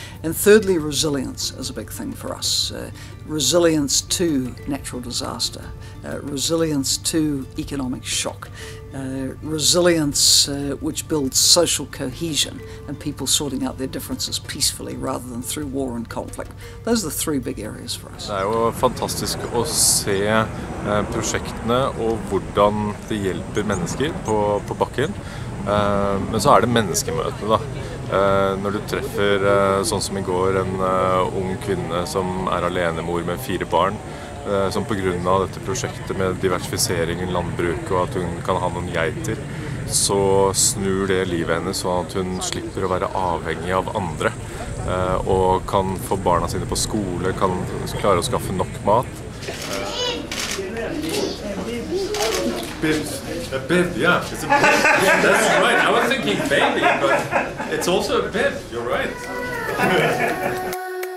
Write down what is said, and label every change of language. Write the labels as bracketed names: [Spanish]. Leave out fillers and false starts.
[English] And thirdly, resilience is a big thing for us. Resilience to natural disaster, resilience to economic shock, resilience which builds social cohesion and people sorting out their differences peacefully rather than through war and conflict. Those are the three big areas for us. [Norwegian] Det jo fantastisk å se prosjektene og hvordan det hjelper mennesker på bakken. Men så det menneskemøtene da. Når du treffer, sånn som I går, en ung kvinne som alenemor med fire barn, som på grunn av dette prosjektet med diversifisering I landbruk og at hun kan ha noen geiter, så snur det livet henne sånn at hun slipper å være avhengig av andre, og kan få barna sine på skole, kan klare å skaffe nok mat. [English] A bib, yeah. That's right. I was thinking baby, but it's also a bib. You're right.